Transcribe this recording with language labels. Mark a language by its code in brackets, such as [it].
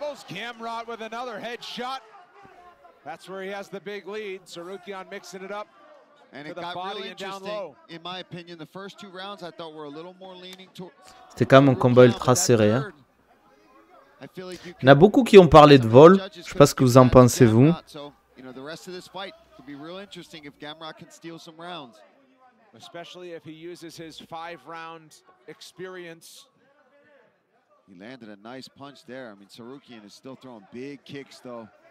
[en] Gamrot with another headshot. That's where he has the big lead. Sarukian mixing it up. And it got really interesting. In my opinion, the first two rounds I thought were a little more leaning towards. [fr] C'était quand même un combat ultra serré. Hein. Il y en a beaucoup qui ont parlé de vol. Je ne sais pas ce que vous en pensez, vous. [en] The rest of this fight could be real interesting if Gamrot can steal some rounds. Especially if he uses his 5-round experience. He landed a nice punch there. I mean, Sarukian is still throwing big kicks, though.